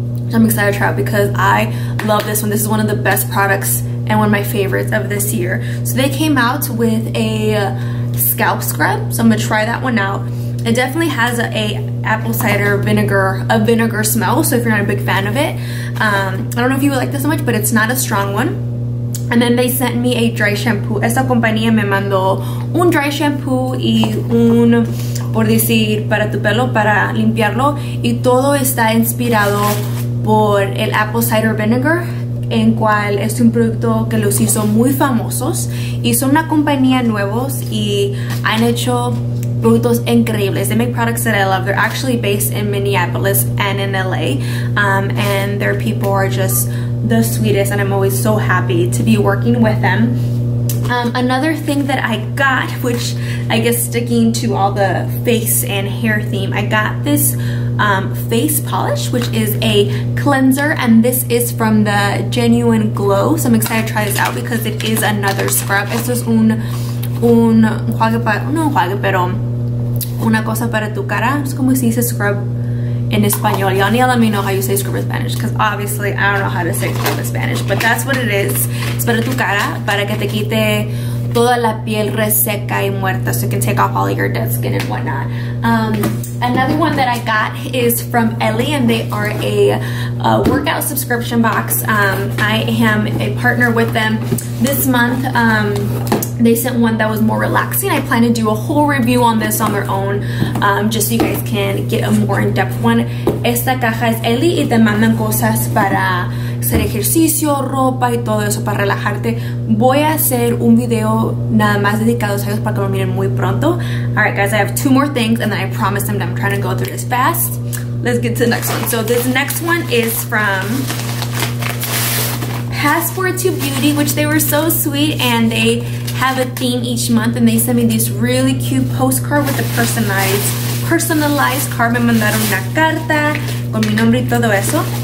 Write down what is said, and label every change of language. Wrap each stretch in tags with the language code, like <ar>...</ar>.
<en>So I'm excited to try it because I love this one. This is one of the best products and one of my favorites of this year. So they came out with a scalp scrub. So I'm gonna try that one out. It definitely has a apple cider vinegar, a vinegar smell. So if you're not a big fan of it, I don't know if you would like this so much, but it's not a strong one. And then they sent me a dry shampoo.</en> <es>Esta compañía me mandó un dry shampoo y un, por decir, para tu pelo, para limpiarlo. Y todo está inspirado por el apple cider vinegar, en cual es un producto que los hizo muy famosos. Y son una compañía nuevos y han hecho productos increíbles.</es> <en>They make products that I love. They're actually based in Minneapolis and in LA. And their people are just the sweetest and I'm always so happy to be working with them. Another thing that I got, which I guess sticking to all the face and hair theme, I got this face polish, which is a cleanser, and this is from the Genuine Glow. So I'm excited to try this out because it is another scrub.</en> <es>Esto es un juague para, no juague, pero una cosa para tu cara. Es como si dice scrub in Espanol.</es> <en>Y'all need to let me know how you say scrub in Spanish, because obviously I don't know how to say scrub in Spanish, but that's what it is.</en> <es>Es para tu cara, para que te quite toda la piel reseca y muerta,</es> <en>so you can take off all your dead skin and whatnot. Another one that I got is from Ellie, and they are a workout subscription box. I am a partner with them this month. They sent one that was more relaxing. I plan to do a whole review on this on their own, just so you guys can get a more in-depth one.</en> <es>Esta caja es Ellie, y te mandan cosas para hacer ejercicio, ropa y todo eso para relajarte. Voy a hacer un video nada más dedicado a ellos para que lo miren muy pronto.</es> <en>All right, guys, I have two more things, and then I promise them that I'm trying to go through this fast. Let's get to the next one. So this next one is from Passport to Beauty, which they were so sweet, and they have a theme each month, and they sent me this really cute postcard with a personalized card.</en> <es>Me mandaron una carta con mi nombre y todo eso.</es>